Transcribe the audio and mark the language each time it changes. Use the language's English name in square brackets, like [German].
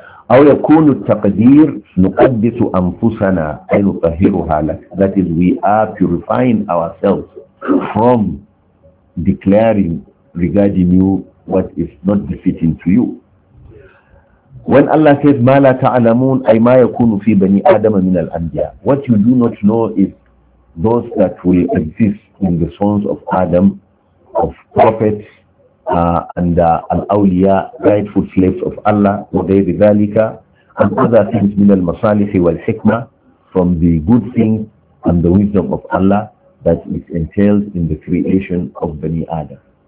[Arabic] أو يكون التقدير نقدس أنفسنا أي نطهرها لك. [English] That is we are purifying ourselves from declaring regarding you what is not befitting to you. When Allah says [Arabic] ما لا تعلمون أي ما يكون في بني آدم من الأنبياء. [English] What you do not know is those that will exist in the sons of Adam, of prophets, and al-awliya, rightful slaves of Allah, [Arabic] وغير ذلك, [English] and other things [Arabic] من المصالح والحكمة, [English] from the good things and the wisdom of Allah that is entailed in the creation of Bani Adam.